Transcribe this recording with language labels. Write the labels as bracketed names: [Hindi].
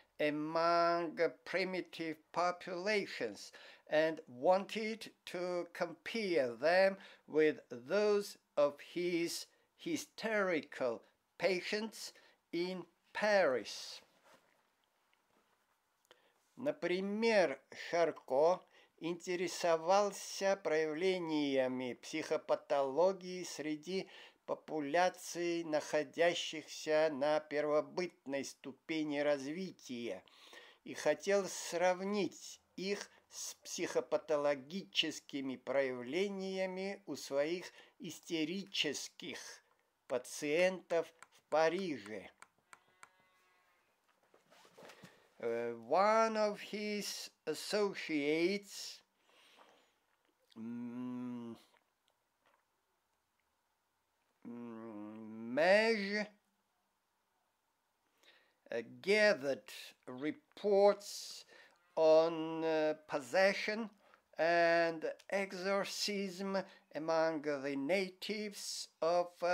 [English] among primitive populations and wanted to compare them with those of his hysterical patients in Paris. [Russian] Например, Шарко интересовался проявлениями психопатологии среди популяций, находящихся на первобытной ступени развития, и хотел сравнить их с психопатологическими проявлениями у своих истерических пациентов в Париже. [English] One of his associates, Meige, gathered reports on possession and exorcism among the natives of